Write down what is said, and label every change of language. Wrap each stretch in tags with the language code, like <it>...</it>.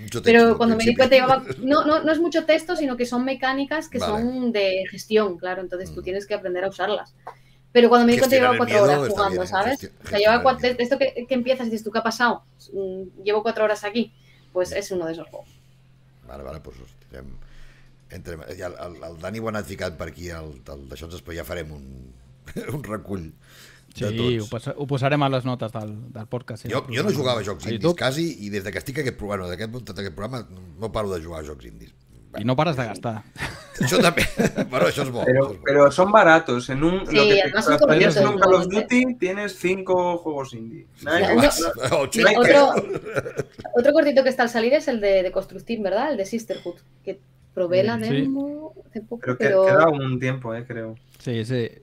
<es>Pero cuando me di cuenta, no es mucho texto, sino que son mecánicas que son de gestión, claro. Entonces tú tienes que aprender a usarlas. Pero cuando me di cuenta, llevaba 4 horas jugando, ¿sabes? O sea, lleva esto que empiezas y dices, ¿tú qué ha pasado? Llevo 4 horas aquí. Pues es uno de esos juegos. Vale, pues hostia.</es> <ca>Entre, el Dani ho ha anat ficant per aquí el d'això, però ja farem un recull de tots. Sí, ho posarem a les notes del podcast. Sí, jo no jugava a jocs indies quasi, i des que estic aquest programa no paro de jugar a jocs indies. I no pares de gastar. Això també, però això és bo. Però són baratos. En un,</ca> <es>sí, lo que te, no son Call of Duty, tienes 5 juegos indies. Sí, no, otro cortito que está al salir es el de Construct Team, ¿verdad? El de Sisterhood, que probé la demo hace poco, pero... Queda un tiempo, creo. Sí, sí.</es>